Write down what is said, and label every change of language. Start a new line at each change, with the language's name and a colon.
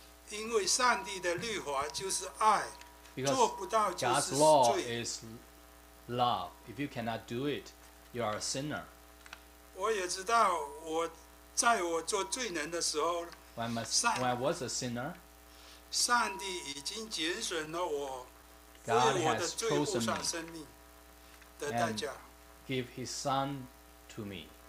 Chinese: 因为上帝的律法就是爱。
English: Because
Chinese: 做不到就是罪。
English: God's law is love. If you cannot do it, you are a sinner.
Chinese: 我也知道我在我做罪人的时候
English: when I was a sinner,
Chinese: 上帝已经拣选了我
English: God has
Chinese: 为我的罪付上生命的代价
English: and give his son to me